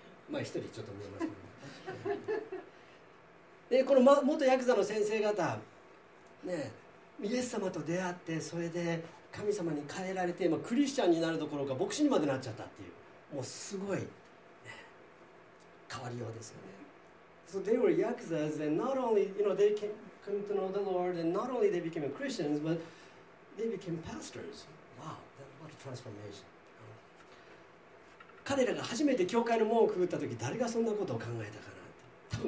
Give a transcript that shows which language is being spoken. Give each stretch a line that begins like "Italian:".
Japanese: まあ一人ちょっと見えますけど。でこの、ま、元ヤクザの先生方、ね、イエス様と出会ってそれで神様に変えられて、まあ、クリスチャンになるどころか牧師にまでなっちゃったっていう、もうすごい、ね、変わりようですよね。
English: So they were yakuzas and not only, you know, they came to know the Lord and not only they became Christians, but they became pastors. Wow, what a transformation.
Japanese: 彼らが初めて教会の門をくぐった時、誰がそんなことを考えたかなって。